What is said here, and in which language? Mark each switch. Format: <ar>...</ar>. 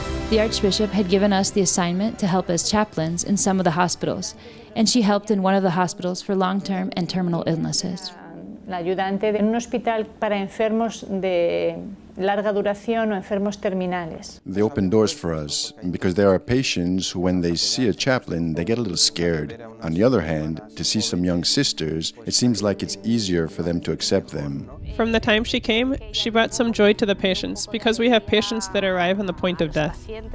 <en>The Archbishop had given us the assignment to help as chaplains in some of the hospitals, and she helped in one of the hospitals for long-term and terminal illnesses.</en> <es>La ayudante de un hospital para enfermos de larga duración o enfermos terminales.</es> <en>They open doors for us because there are patients who, when they see a chaplain, they get a little scared. On the other hand, to see some young sisters, it seems like it's easier for them to accept them. From the time she came, she brought some joy to the patients because we have patients that arrive on the point of death.</en>